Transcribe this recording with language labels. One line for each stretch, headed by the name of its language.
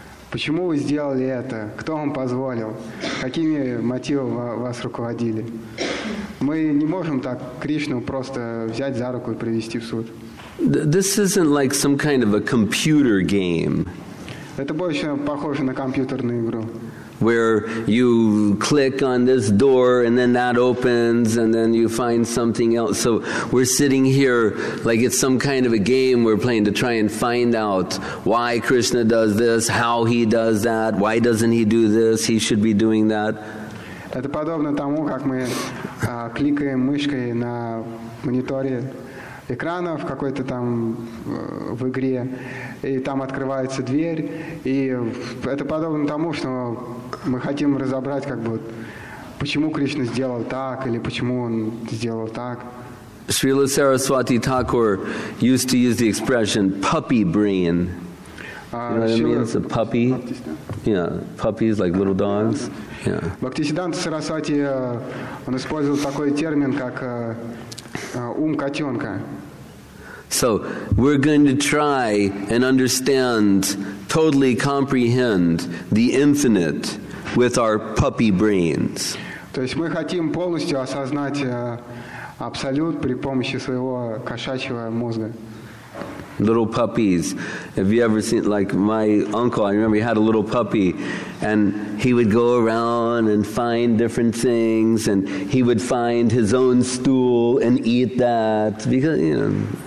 Russian: Почему вы сделали это? Кто вам позволил? Какими мотивами вас руководили? Мы не можем так Кришну просто взять за руку и привести в суд.
English: This isn't like some kind of a computer game.
Russian: Это больше похоже на компьютерную игру.
English: Where you click on this door and then that opens and then you find something else. So we're sitting here like it's some kind of a game we're playing to try and find out why Krishna does this, how he does that, why doesn't he do this, he should be doing that.
Russian: Это подобно тому, как мы кликаем мышкой на мониторе экрана в какой-то там в игре, и там открывается дверь, и это подобно тому, что мы хотим разобрать, как бы, почему Кришна сделал так, или почему он сделал так.
English: Шрила Сарасвати Такур used to use the expression puppy brain. You know what it means? A puppy? Yeah, puppies, like little dogs.
Russian: Бхактисиддханта Сарасвати, он использовал такой термин, как ум котенка.
English: So we're going to try and understand, totally comprehend the infinite with our puppy brains.
Russian: То есть мы хотим полностью осознать абсолют при помощи своего кошачьего мозга.
English: Little puppies. Have you ever seen, like my uncle, I remember he had a little puppy and he would go around and find different things and he would find his own stool and eat that because, you know.